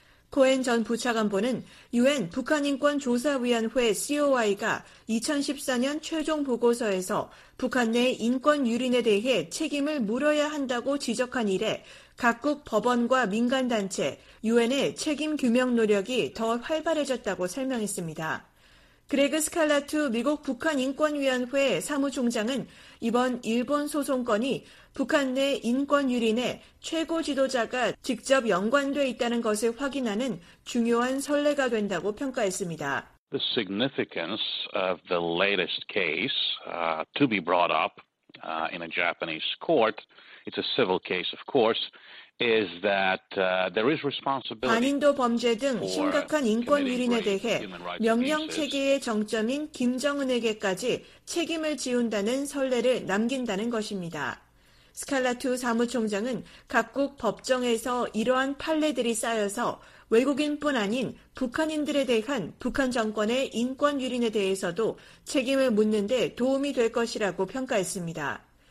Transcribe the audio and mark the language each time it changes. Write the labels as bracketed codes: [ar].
[ko] 코엔 전 부차관보는 유엔 북한인권조사위원회 COI가 2014년 최종 보고서에서 북한 내 인권 유린에 대해 책임을 물어야 한다고 지적한 이래 각국 법원과 민간단체, 유엔의 책임 규명 노력이 더 활발해졌다고 설명했습니다. 그레그 스칼라투 미국 북한인권위원회 사무총장은 이번 일본 소송건이 북한 내 인권 유린에 최고 지도자가 직접 연관돼 있다는 것을 확인하는 중요한 선례가 된다고 평가했습니다. [en] The significance of the latest case to be brought up in a Japanese court, it's a civil case, of course. Is that there is responsibility. [ko] 반인도 범죄 등 심각한 인권 유린에 대해 명령 체계의 정점인 김정은에게까지 책임을 지운다는 선례를 남긴다는 것입니다. 스칼라투 사무총장은 각국 법정에서 이러한 판례들이 쌓여서 외국인뿐 아닌 북한인들에 대한 북한 정권의 인권 유린에 대해서도 책임을 묻는 데 도움이 될 것이라고 평가했습니다.